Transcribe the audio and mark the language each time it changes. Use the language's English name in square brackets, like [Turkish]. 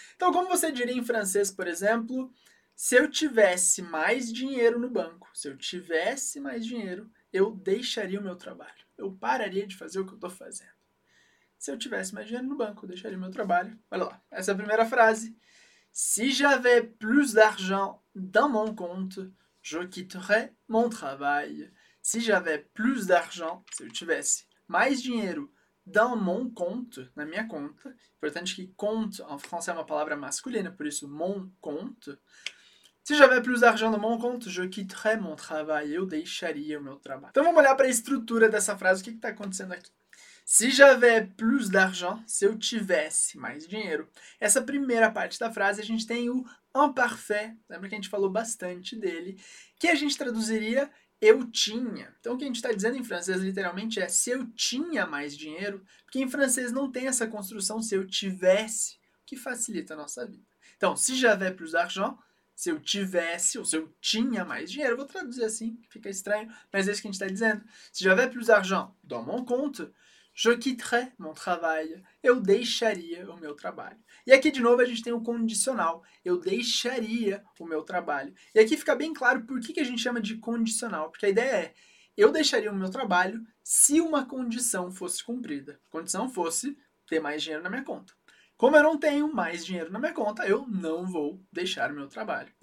[Portuguese] Então, como você diria em francês, por exemplo, se eu tivesse mais dinheiro no banco, se eu tivesse mais dinheiro, eu deixaria o meu trabalho. Eu pararia de fazer o que eu estou fazendo. Se eu tivesse mais dinheiro no banco, eu deixaria o meu trabalho. Olha lá, essa é a primeira frase. [French] Si j'avais plus d'argent dans mon compte, je quitterais mon travail. Si j'avais plus d'argent, [Portuguese] se eu tivesse mais dinheiro [French] dans mon compte, [Portuguese] na minha conta, importante que compte em francês é uma palavra masculina, por isso [French] mon compte. Si j'avais plus d'argent dans mon compte, je quitterais mon travail. [Portuguese] Eu deixaria o meu trabalho. Então vamos olhar para a estrutura dessa frase, o que que está acontecendo aqui? [French] Si j'avais plus d'argent, [Portuguese] se eu tivesse mais dinheiro. Essa primeira parte da frase a gente tem o imparfait, lembra que a gente falou bastante dele, que a gente traduziria eu tinha. Então o que a gente está dizendo em francês literalmente é se eu tinha mais dinheiro, porque em francês não tem essa construção se eu tivesse, que facilita a nossa vida. Então, [French] si j'avais plus d'argent, [Portuguese] se eu tivesse ou se eu tinha mais dinheiro, vou traduzir assim, fica estranho, mas é isso que a gente está dizendo. [French] Si j'avais plus d'argent dans mon compte, je quitterais mon travail. [Portuguese] Eu deixaria o meu trabalho. E aqui de novo a gente tem o condicional. Eu deixaria o meu trabalho. E aqui fica bem claro por que que a gente chama de condicional. Porque a ideia é: eu deixaria o meu trabalho se uma condição fosse cumprida. Condição fosse ter mais dinheiro na minha conta. Como eu não tenho mais dinheiro na minha conta, eu não vou deixar o meu trabalho.